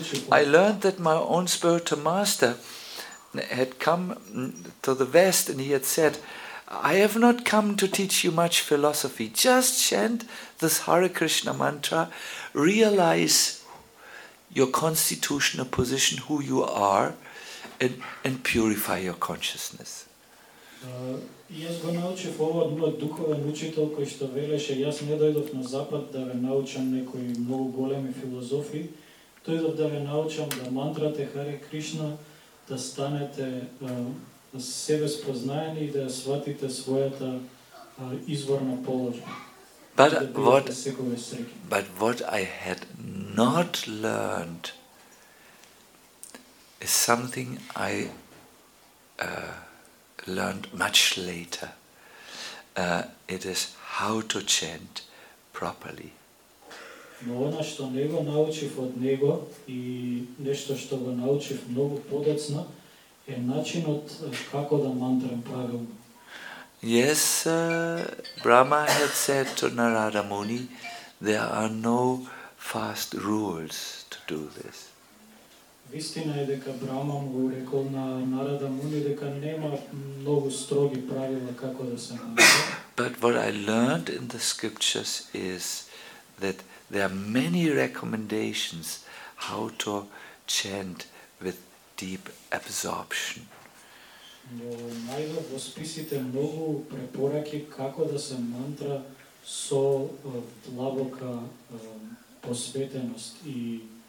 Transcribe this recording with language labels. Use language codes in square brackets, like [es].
[en] I learned that my own spiritual master had come to the West and he had said, I have not come to teach you much philosophy, just chant this Hare Krishna mantra, realize your constitutional position, who you are, and purify your consciousness. [mk] Јас го научив ово од мојот духовен учител кој што велеше, јас не дојдов на Запад да ве научам некои многу големи филозофи, дојдов да ве научам да мантрате Hare Krishna, да станете себе спознаени и да сватите својата изворна положба. [en] But what I had not learned is something I learned much later. It is how to chant properly. [mk] Но она што не го научив од него и нешто што го научив многу подоцна е начинот како да мантрам правилно. [en] Yes, Brahma had said to Narada Muni, there are no fast rules to do this. [mk] Вистина е дека Брама му рекол на Нарада Муни дека нема многу строги правила како да се мантрам. [en] But what I learned in the scriptures is that there are many recommendations how to chant with deep absorption. [mk] Но најдобро списите многу препораки како да се мантра со длабока посветеност и